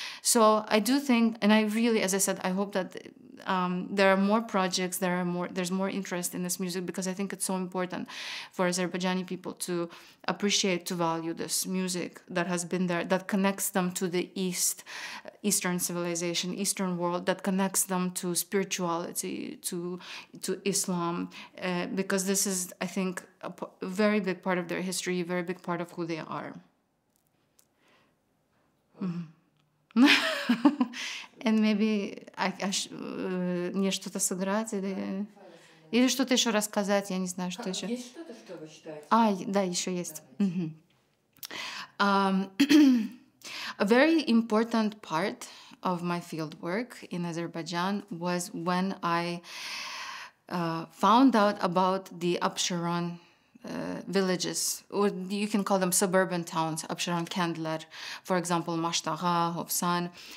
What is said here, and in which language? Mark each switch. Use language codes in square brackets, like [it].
[en] So I do think, and I really, as I said, I hope that there are more projects, there's more interest in this music, because I think it's so important for Azerbaijani people to appreciate, to value this music that has been there, that connects them to the East, Eastern civilization, Eastern world, that connects them to spirituality, to Islam, because this is, I think, a very big part of their history, a very big part of who they are. And maybe [ru] нечто-то сыграть или что-то еще рассказать, я не знаю, что еще. Есть что-то, что вы считаете? А, да, еще есть. [en] A very important part of my field work in Azerbaijan was when I found out about the Abşeron villages, or you can call them suburban towns, Abşeron Kendler, for example, Maştağa, Hovsan.